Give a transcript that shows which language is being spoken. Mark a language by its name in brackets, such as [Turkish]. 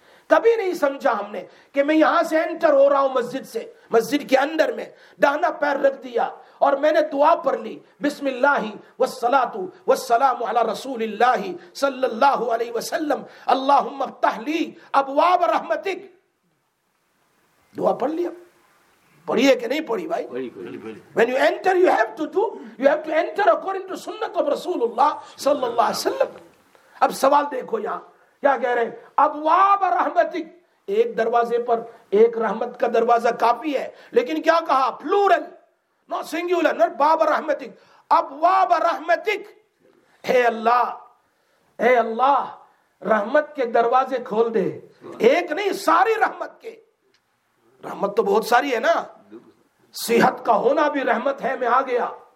[Urdu] کبھی نہیں سمجھا ہم نے کہ میں یہاں سے انٹر ہو رہا ہوں مسجد سے, مسجد کے اندر میں دہنا پیر رکھ دیا اور میں نے دعا پڑھ لی [Arabic] بسم اللہ والصلاۃ والسلام علی رسول اللہ صلی اللہ علیہ وسلم, اللہم افتح لی ابواب رحمتک, [Urdu] دعا پڑھ لیا. پڑھیے کہ نہیں پڑھی بھائی؟ [English] When you enter you have to do, you have to enter according to سنت of رسول اللہ صلی اللہ علیہ وسلم. [Urdu] اب سوال دیکھو یہاں کیا کہہ رہے ہیں, ابواب رحمتک, ایک دروازے پر ایک رحمت کا دروازہ کافی ہے, لیکن کیا کہا, [English] plural no singular, [Urdu] نو باب رحمتک, ابواب رحمتک. اے اللہ اے اللہ رحمت کے دروازے کھول دے, ایک نہیں ساری رحمت کے, رحمت تو بہت ساری ہے نا, صحت کا ہونا بھی رحمت ہے, میں آ گیا